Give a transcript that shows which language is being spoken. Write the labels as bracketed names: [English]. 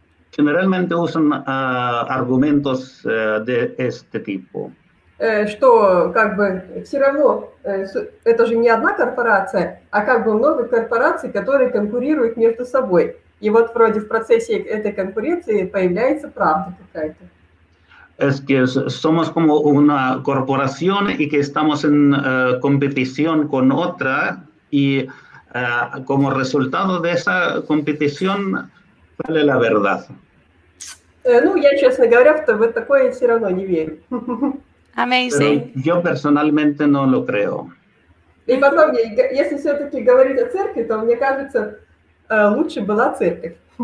[Spanish] Generalmente usan argumentos de este tipo. [Russian] Что как бы все равно это же не одна корпорация, а как бы много корпораций, которые конкурируют между собой. И вот вроде в процессе этой конкуренции появляется правда какая-то. [Spanish] Es que somos como una corporación y que estamos en competición con otra y como resultado de esa competición sale la verdad. [Russian] Я, честно говоря, в такое все равно не верю. [English] Amazing. [Spanish] Pero yo personalmente no lo creo. [Russian] И потом, если все-таки говорить о церкви, то, мне кажется, лучше была церковь.